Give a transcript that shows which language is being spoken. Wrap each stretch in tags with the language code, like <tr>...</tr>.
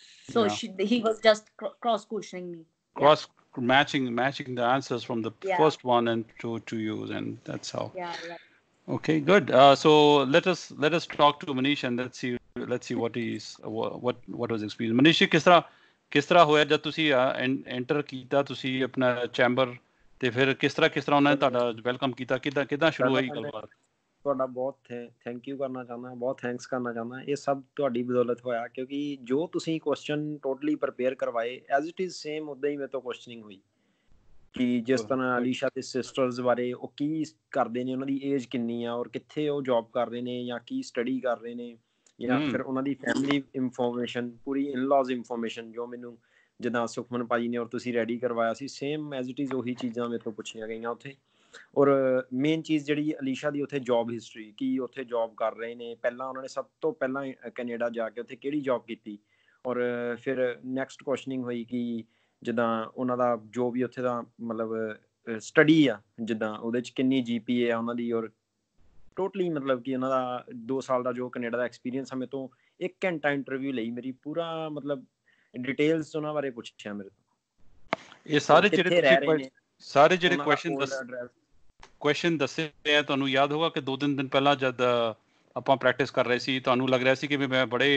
<en>So he was just cross-questioning me. Cross matching the answers from the first one and to you, and that's how. Okay, good. So let us talk to Manish, and let's see what is what was experience.</en> <pa>Manish, किस तरह होया जब तुसी enter कीता, तुसी अपना chamber, ते फिर किस तरह उन्होंने तुहाडा वेलकम कीता, किदा किदा शुरू हुई गलबात? ਤੁਹਾਡਾ ਬਹੁਤ ਥੈਂਕ ਯੂ ਕਰਨਾ ਚਾਹੁੰਦਾ, ਬਹੁਤ ਥੈਂਕਸ ਕਰਨਾ ਚਾਹੁੰਦਾ. ਇਹ ਸਭ ਤੁਹਾਡੀ ਬਦੌਲਤ ਹੋਇਆ, ਕਿਉਂਕਿ ਜੋ ਤੁਸੀਂ ਕੁਐਸਚਨ ਟੋਟਲੀ ਪ੍ਰਪੇਅਰ ਕਰਵਾਏ ਐਜ਼ ਇਟ ਇਜ਼ ਸੇਮ, ਉਦਾਂ ਹੀ ਮੇਰੇ ਤੋਂ ਕੁਐਸਚਨਿੰਗ ਹੋਈ ਕਿ ਜਿਸ ਤਰ੍ਹਾਂ ਅਲੀਸ਼ਾ ਦੇ ਸਿਸਟਰਸ ਬਾਰੇ ਉਹ ਕੀ ਕਰਦੇ ਨੇ, ਉਹਨਾਂ ਦੀ ਏਜ ਕਿੰਨੀ ਆ, ਔਰ ਕਿੱਥੇ ਉਹ ਜੋਬ ਕਰਦੇ ਨੇ ਜਾਂ ਕੀ ਸਟੱਡੀ ਕਰ ਰਹੇ ਨੇ, ਜਾਂ ਫਿਰ ਉਹਨਾਂ ਦੀ ਫੈਮਿਲੀ ਇਨਫੋਰਮੇਸ਼ਨ, ਪੂਰੀ ਇਨ-ਲਾਜ਼ ਇਨਫੋਰਮੇਸ਼ਨ ਜੋ ਮੈਨੂੰ ਜਿੱਦਾਂ ਸੁਖਮਨ ਭਾਜੀ ਨੇ ਔਰ ਤੁਸੀਂ ਰੈਡੀ ਕਰਵਾਇਆ ਸੀ, ਸੇਮ ਐਜ਼ ਇਟ ਇਜ਼ ਉਹੀ ਚੀਜ਼ਾਂ ਮੇਰੇ ਤੋਂ ਪੁੱਛੀਆਂ ਗਈਆਂ ਉੱਥੇ. ਔਰ ਮੇਨ ਚੀਜ਼ ਜਿਹੜੀ ਅਲੀਸ਼ਾ ਦੀ ਉੱਥੇ ਜੋਬ ਹਿਸਟਰੀ, ਕੀ ਉੱਥੇ ਜੋਬ ਕਰ ਰਹੇ ਨੇ, ਪਹਿਲਾਂ ਉਹਨਾਂ ਨੇ ਸਭ ਤੋਂ ਪਹਿਲਾਂ ਕੈਨੇਡਾ ਜਾ ਕੇ ਉੱਥੇ ਕਿਹੜੀ ਜੋਬ ਕੀਤੀ. ਔਰ ਫਿਰ ਨੈਕਸਟ ਕੁਐਸਚਨਿੰਗ ਹੋਈ ਕਿ ਜਿੱਦਾਂ ਉਹਨਾਂ ਦਾ ਜੋ ਵੀ ਉੱਥੇ ਦਾ ਮਤਲਬ ਸਟੱਡੀ ਆ, ਜਿੱਦਾਂ ਉਹਦੇ 'ਚ ਕਿੰਨੀ GPA ਆ ਉਹਨਾਂ ਦੀ, ਔਰ ਟੋਟਲੀ ਮਤਲਬ ਕਿ ਉਹਨਾਂ ਦਾ 2 ਸਾਲ ਦਾ ਜੋ ਕੈਨੇਡਾ ਦਾ ਐਕਸਪੀਰੀਅੰਸ ਆ. ਮੇਰੇ ਤੋਂ 1 ਘੰਟਾ ਇੰਟਰਵਿਊ ਲਈ, ਮੇਰੀ ਪੂਰਾ ਮਤਲਬ ਡਿਟੇਲਸ ਉਹਨਾਂ ਬਾਰੇ ਪੁੱਛਿਆ ਮੇਰੇ ਤੋਂ, ਇਹ ਸਾਰੇ ਜਿਹੜੇ ਕਿੱਥੇ ਰਹਿ ਤੁਸੀਂ ਰਹੇ ਨੇ, ਸਾਰੇ ਜਿਹੜੇ ਉਹਨਾਂ ਦਾ ਹੋਲਡ ਐਡਰੈਸ. क्वेश्चन दसे हैं, तुहानू याद होगा कि 2 दिन पहला जब आपां प्रैक्टिस कर रहे सी, तुहानू लग रहा सी कि मैं बड़े</pa>